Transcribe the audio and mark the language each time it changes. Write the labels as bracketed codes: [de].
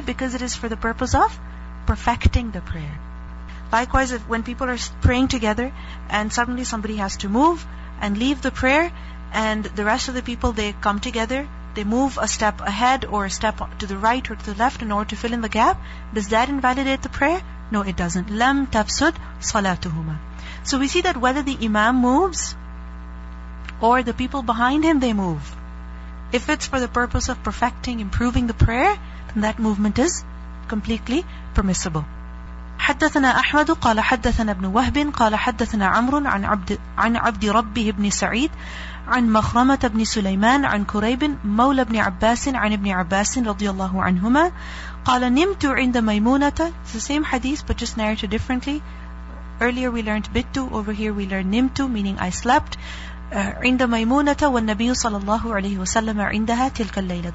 [en] Because it is for the purpose of perfecting the prayer. Likewise, if when people are praying together and suddenly somebody has to move and leave the prayer, and the rest of the people, they come together, they move a step ahead or a step to the right or to the left in order to fill in the gap, does that invalidate the prayer? No, it doesn't. [ar] لَمْ تَفْسُدْ صَلَاتُهُمَا. [en] So we see that whether the imam moves or the people behind him, they move, if it's for the purpose of perfecting, improving the prayer, then that movement is completely permissible. [ar] حدثنا أحمد قال حدثنا ابن وهب قال حدثنا عمرو عن عبد ربه ابن سعيد عن مخرمة ابن سليمان عن كريب مولى ابن عباس عن ابن عباس رضي الله عنهما قال نمت عند ميمونة. [en] It's the same hadith but just narrated differently. Earlier we learned bittu, over here we learned nimtu, meaning I slept. [ar] عند ميمونة والنبي صلى الله عليه وسلم عندها تلك الليلة.